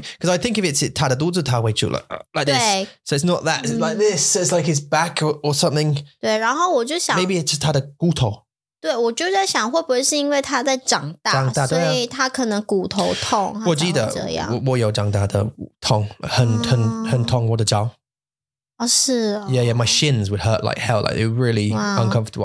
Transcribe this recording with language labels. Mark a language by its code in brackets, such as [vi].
[en] Because I think if it's like this. So it's not that, it's like this. So it's like his back or something. [zh] 对,然后我就想, [en] maybe it's just [zh] 他的骨头. 对,我就在想会不会是因为他在长大,所以他可能骨头痛。我记得,我有长大的痛,很痛我的脚。哦,是哦。 [en] Yeah, yeah, my shins would hurt like hell, like they were really uncomfortable.